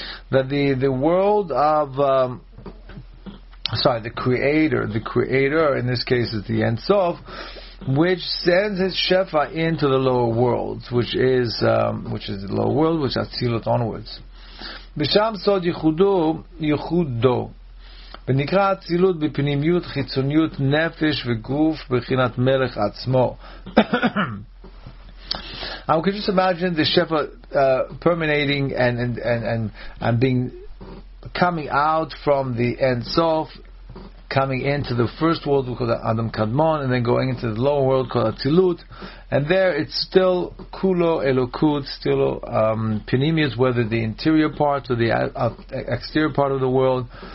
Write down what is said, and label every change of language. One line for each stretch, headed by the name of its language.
English: That the world of the creator in this case is the Ein Sof, which sends his shefa into the lower worlds, which is the lower world, which is atzilut onwards.
Hebrew: B'sham sod yichudo. ונקרא אצילות בפנימיות חיצוניות נפש וגוף בחינת מלך עצמו.
English: I can just imagine the shefa permeating and being coming out from the Ein Sof, coming into the first world called Adam Kadmon, and then going into the lower world called Atzilut, and there it's still kulo elokut, still pnimiyut, whether the interior part or the exterior part of the world.